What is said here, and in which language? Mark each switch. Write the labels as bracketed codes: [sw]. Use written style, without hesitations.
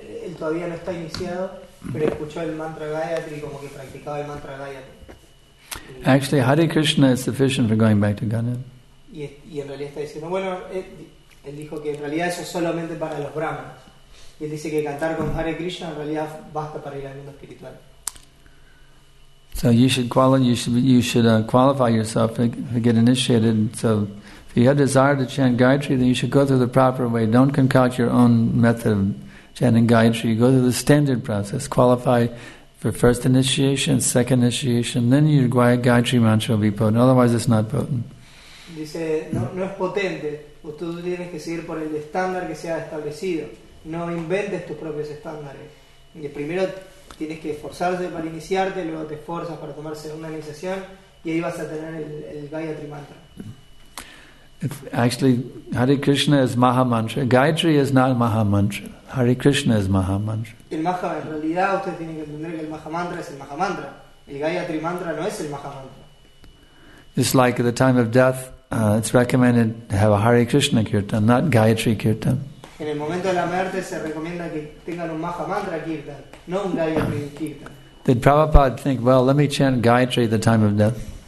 [es] él todavía no está iniciado, pero escuchó el mantra Gayatri y como que practicaba el mantra Gayatri. [en] Actually, Hare Krishna is sufficient for going back to Ganem. [es] Y en realidad está diciendo, bueno, él dijo que en realidad eso es solamente para los brahmanas. Y él dice que cantar con Hare Krishna en realidad basta para ir al mundo espiritual. [en] So you should qualify yourself to get initiated. So if you have desire to chant Gayatri, then you should go through the proper way. Don't concoct your own method of chanting Gayatri. You go through the standard process. Qualify for first initiation, second initiation, then your Gayatri mantra will be potent. Otherwise, it's not potent. [es] Dice, no es potente. Tú tienes que seguir por el estándar que se ha establecido. No inventes tus propios estándares. Y primero tienes que esforzarte para iniciarte, luego te esfuerzas para tomar segunda iniciación y ahí vas a tener el Gayatri mantra. [en] Actually, Hare Krishna is Maha Mantra. Gayatri is not Maha Mantra. Hare Krishna is Maha Mantra. [es] El Maha, en realidad, ustedes tienen que entender que el Maha Mantra es el Maha Mantra. El Gayatri Mantra no es el Maha Mantra. [en] It's like at the time of death, it's recommended to have a Hare Krishna Kirtan, not Gayatri Kirtan. [es] En el momento de la muerte se recomienda que tengan un Maha Mantra Kirtan, no un Gayatri Kirtan. [en] Did Prabhupada think, well, let me chant Gayatri at the time of death?